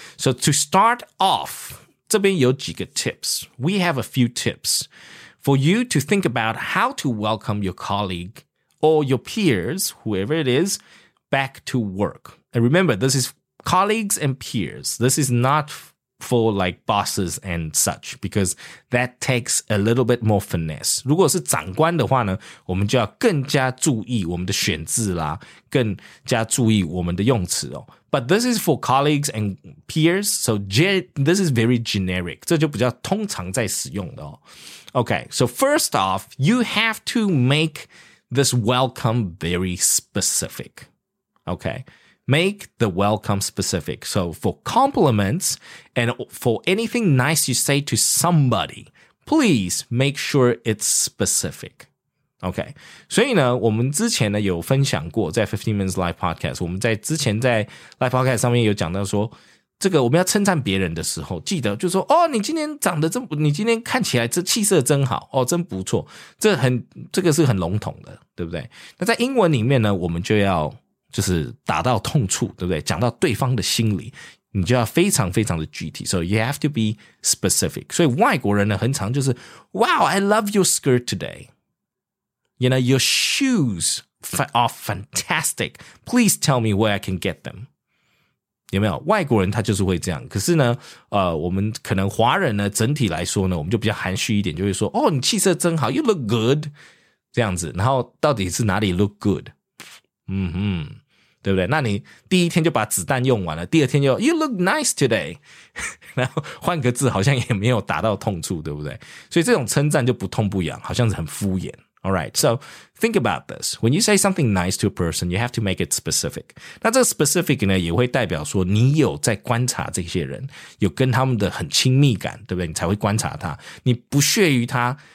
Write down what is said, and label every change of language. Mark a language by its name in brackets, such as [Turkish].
[English] So to start off, [Chinese] 这边有几个 [English] tips, we have a few tips for you to think about how to welcome your colleague or your peers, whoever it is, back to work. And remember, this is colleagues and peers, this is notfor like bosses and such, because that takes a little bit more finesse. [Chinese] 如果是长官的话呢，我们就要更加注意我们的选字啦，更加注意我们的用词哦。 [English] But this is for colleagues and peers, so this is very generic. [Chinese] 这就比较通常在使用的哦。 [English] Okay, so first off, you have to make this welcome very specific. Okay. Make the welcome specific. So for compliments and for anything nice you say to somebody, please make sure it's specific. Okay. [Chinese] 所以呢，我们之前呢有分享过，在 15 Minutes Live Podcast, 我们在之前在 Live Podcast 上面有讲到说，这个我们要称赞别人的时候，记得就说，哦，你今天长得真，你今天看起来这气色真好，哦，真不错。这个是很笼统的，对不对？那在英文里面呢，我们就要就是打到痛处，对不对？讲到对方的心里，你就要非常非常的具体。 [English] So you have to be specific. [Chinese] 所以外国人呢，很常就是 [English] Wow, I love your skirt today. You know, your shoes are fantastic. Please tell me where I can get them. [Chinese] 有没有？外国人他就是会这样。可是呢，我们可能华人呢，整体来说呢，我们就比较含蓄一点，就会说，哦，你气色真好， [English] You look good. [Chinese] 这样子，然后到底是哪里 [English] look good？ [Chinese] 嗯哼，对不对？那你第一天就把子弹用完了，第二天就 [English] you look nice today， [Chinese] 然后换个字好像也没有达到痛处，对不对？所以这种称赞就不痛不痒，好像是很敷衍。 [English] All right, so think about this. When you say something nice to a person, you have to make it specific. [Chinese] 那这个 specific 呢，也会代表说你有在观察这些人，有跟他们的很亲密感，对不对？你才会观察他，你不屑于他。